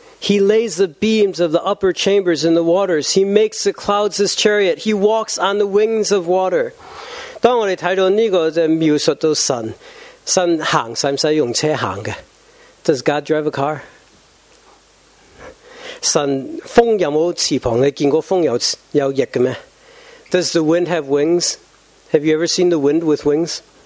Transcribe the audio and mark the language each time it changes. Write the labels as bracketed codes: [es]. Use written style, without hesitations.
[en] He lays the beams of the upper chambers in the waters. He makes the clouds his chariot. He walks on the wings of water. [zh] 当我们看到这个描述到神行，是不是用车行的？ [en] Does God drive a car? [zh] 神风有没有翅膀？你见过风有翼的吗？ [en] Does the wind have wings? Have you ever seen the wind with wings?